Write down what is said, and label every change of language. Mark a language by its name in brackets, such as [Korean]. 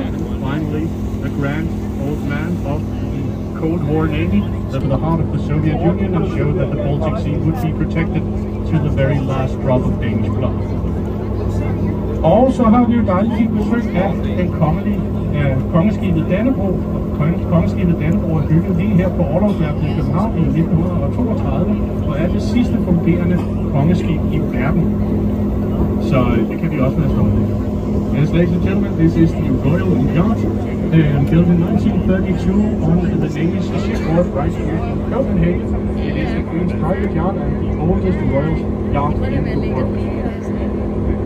[English] And finally, the grand old man of the Cold War Navy, that for the heart of the Soviet Union and showed that the Baltic Sea would be protected to the very last drop of Danish blood. [Danish] Og så har vi jo dejligt sit besøg af den kongelige kongeskibet Dannebrog. Kongeskibet Dannebrog er bygget lige her på Orlogsværftet i København i 1932, og er det sidste fungerende kongeskib i verden. Så det kan vi også være stående. [English] Yes, ladies and gentlemen, this is the Royal Yacht, built in 1932 on the Danish shipboard right here in Copenhagen. It is the Queen's private yacht and the oldest royal yacht in the world.